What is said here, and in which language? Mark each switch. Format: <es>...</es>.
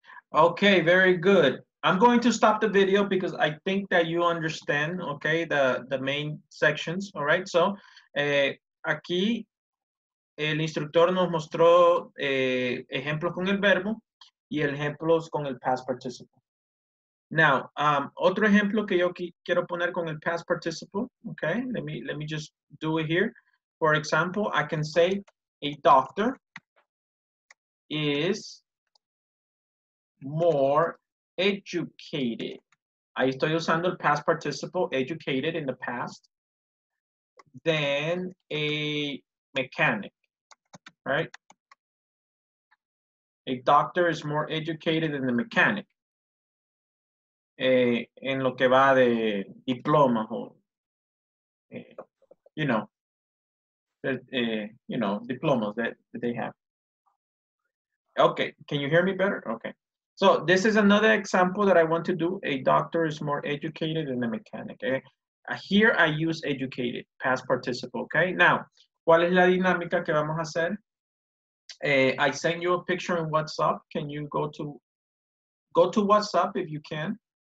<en>Okay, very good. I'm going to stop the video because I think that you understand, okay, the main sections, all right?</en> <es>So, aquí el instructor nos mostró ejemplos con el verbo y ejemplos con el past participle. Now, otro ejemplo que yo quiero poner con el past participle, okay?</es> <en>Let me just do it here. For example, I can say a doctor is more educated.</en> <es>Ahí estoy usando el past participle, educated,</es> <en>in the past, than a mechanic, right? A doctor is more educated than the mechanic.</en> <es>En lo que va de diploma,</es> <en>diplomas that they have. Okay, can you hear me better? Okay. So this is another example that I want to do. A doctor is more educated than the mechanic. Here I use educated, past participle, okay?</en> <es>Now, ¿cuál es la dinámica que vamos a hacer?</es> <en>I send you a picture in WhatsApp. Can you go to WhatsApp if you can?</en>